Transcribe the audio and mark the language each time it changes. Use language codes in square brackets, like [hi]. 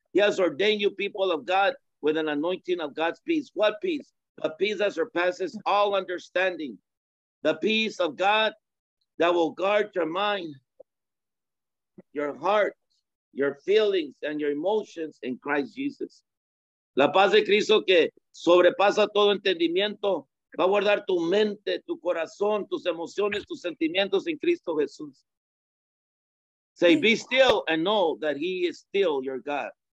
[en] He has ordained you, people of God, with an anointing of God's peace. What peace? The peace that surpasses all understanding. The peace of God that will guard your mind, your heart, your feelings, and your emotions in Christ Jesus. [es] La paz de Cristo que sobrepasa todo entendimiento va a guardar tu mente, tu corazón, tus emociones, tus sentimientos en Cristo Jesús. [en] Say, be still and know that he is still your God.